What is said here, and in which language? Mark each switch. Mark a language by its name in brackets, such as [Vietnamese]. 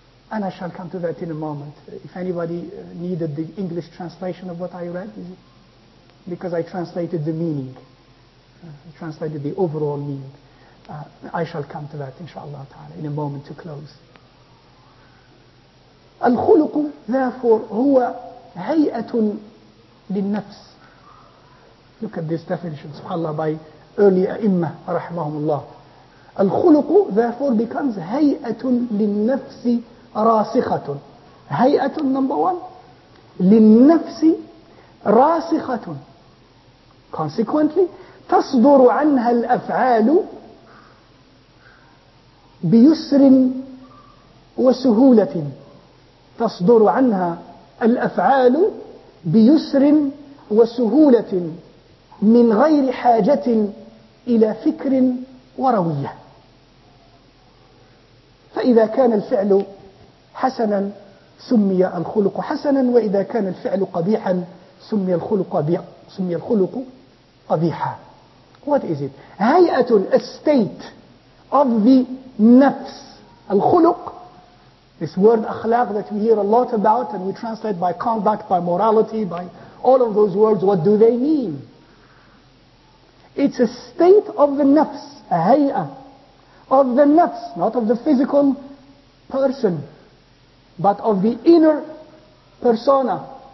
[English] And I shall come to that in a moment. If anybody needed the English translation of what I read, because I translated the meaning. Translated the overall meaning. I shall come to that, inshallah ta'ala, in a moment to close. [Arabic] الخلق, therefore, هو هيئة للنفس. [English] Look at this definition, subhanAllah, by early a'imma, rahimahumullah. [Arabic] الخلق, [English] therefore, becomes [Arabic] هيئة للنفس راسخة. هيئة, [English] number one, [Arabic] للنفس راسخة. Consequently, تصدر عنها الأفعال بيسر وسهولة تصدر عنها الأفعال بيسر وسهولة من غير حاجة إلى فكر وروية فإذا كان الفعل حسنا سمي الخلق حسنا وإذا كان الفعل قبيحا سمي الخلق قبيحا [English] What is it? هيئة, a state of the nafs. Al-khuluq, this word akhlaq that we hear a lot about and we translate by conduct, by morality, by all of those words, what do they mean? It's a state of the nafs, a hayah of the nafs, not of the physical person, but of the inner persona.